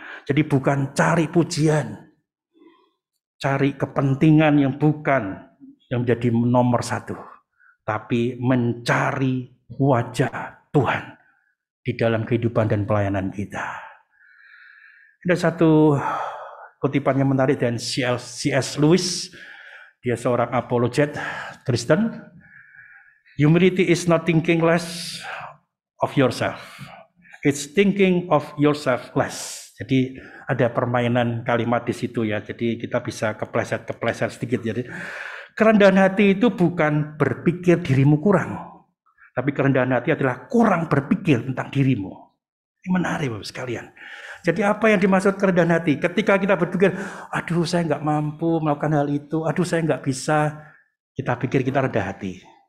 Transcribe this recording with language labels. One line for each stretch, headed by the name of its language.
Indonesian: Jadi bukan cari pujian, cari kepentingan yang bukan yang menjadi nomor satu, tapi mencari wajah Tuhan di dalam kehidupan dan pelayanan kita. Ada satu kutipan yang menarik dari C.S. Lewis. Dia seorang apologet Kristen.
English: Humility is not thinking less of yourself. It's thinking of yourself less.
Indonesian: Jadi ada permainan kalimat di situ ya. Jadi kita bisa kepleset-kepleset sedikit. Jadi kerendahan hati itu bukan berpikir dirimu kurang, tapi kerendahan hati adalah kurang berpikir tentang dirimu. Ini menarik Bapak sekalian. Jadi apa yang dimaksud kerendahan hati? Ketika kita berpikir, aduh saya nggak mampu melakukan hal itu, aduh saya nggak bisa, kita pikir kita rendah hati.